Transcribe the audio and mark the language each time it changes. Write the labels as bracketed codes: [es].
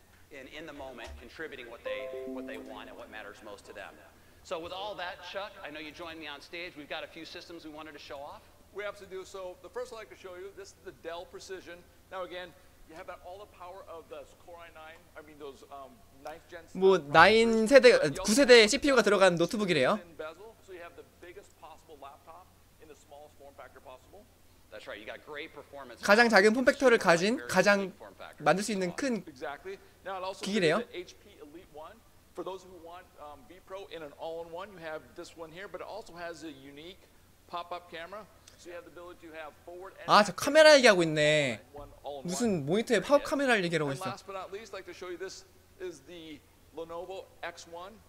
[en] In the moment, contributing what they want and what matters most to them. So with all that, Chuck, I know you joined me on stage. We've got a few systems we wanted to show off. We have to do so. The first I'd like to show you, this is the Dell Precision. Now again, you have that all the power of the Core i9. I mean those 9th gen. [ko] 뭐 9 세대 9 세대 CPU가 들어간 노트북이래요. [en] So you have the biggest possible laptop in the smallest form factor possible. That's right. You got great performance. [ko] 가장 작은 폼팩터를 가진 가장 만들 수 있는 큰 기기래요. [en] HP Elite 1. For those who want V-Pro in an all-in-one, you have this one here, but it also has a unique pop-up camera. So you have the ability to have forward and [ko] 아, 저 카메라 얘기하고 있네. 무슨 모니터에 팝업 카메라를 얘기하고 있어. [en] Last but not least, I'd like to show you this is the Lenovo X1.